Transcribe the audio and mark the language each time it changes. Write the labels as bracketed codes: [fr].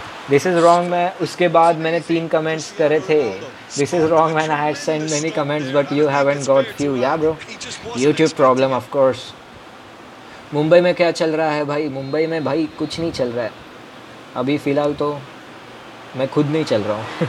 [en] This is wrong, [hi] मैं उसके बाद मैंने तीन कमेंट्स करे थे. [en] This is wrong, man. I had sent many comments, but you haven't got few. Yeah, bro. YouTube problem, of course. [hi] Mumbai में क्या चल रहा है भाई? मुंबई में भाई कुछ नहीं चल रहा है अभी फिलहाल, तो मैं खुद नहीं चल रहा हूँ.